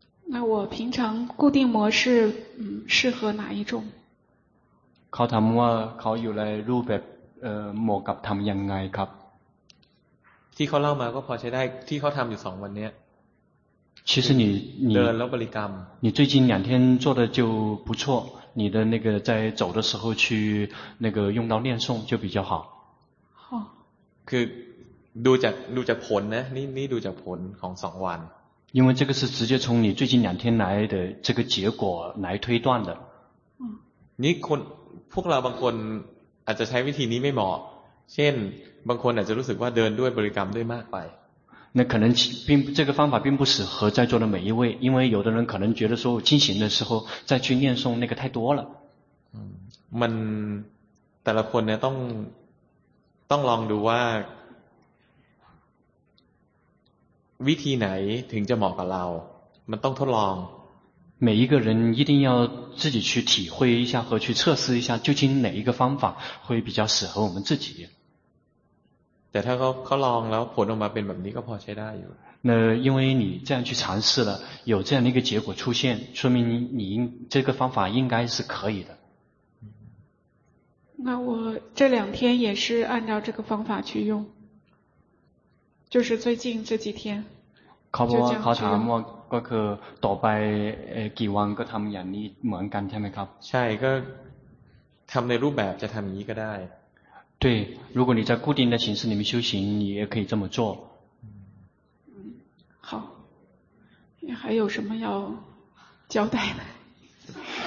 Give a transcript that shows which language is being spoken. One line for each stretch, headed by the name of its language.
Chinese: 那我平常固定模式适合哪一种
Thai: เขาถามว่าเขาอยู่ในรูปแบบเหมาะกับทำยังไงครับ ที่เขาเล่ามาก็พอใช้ได้ที่เขาทำอยู่2วันเนี้ย
Chinese: 其实你
Thai: เดินแล้วบริกรรม
Chinese: 你最近两天做的就不错你的那个在走的时候去那个用到念诵就比较好
Thai: คือดูจากผลนะนี่ดูจากผลของ2วัน
Chinese: 因为这个是直接从你最近两天来的这个结果来推断的
Thai: นี่คนพวกเราบางคนอาจจะใช้วิธีนี้ไม่เหมาะเช่นบางคนอาจจะรู้สึกว่าเดินด้วยบริกรรมด้วยมากไป
Chinese: 那可能并这个方法并不适合在座的每一位因为有的人可能觉得说进行的时候再去念诵那个太多了
Thai: มันแต่ละคนเนี่ยต้องลองดูว่าวิธีไหนถึงจะเหมาะกับเรามันต้องทดลอง
Chinese: 每一个人一定要自己去体会一下和去测试一下究竟哪一个方法会比较适合我们自己
Thai: แต่ถ้าเขาลองแล้วผลออกมาเป็นแบบนี้ก็พอใช้ได้อยู่
Chinese: 那因为你这样去尝试了有这样的一个结果出现说明你这个方法应该是可以的那我这两天也是按照这个方法去用就是最近这几天考察我
Thai: ก็คือต่อไปกี่วันก็ทำอย่างนี้เหมือนกันใช่ไหมครับ ใช่ก็ทำในรูปแบบจะทำอย่างนี้ก็ได้
Chinese: 对如果你在固定的形式里面修行你也可以这么做好你还有什么要交代的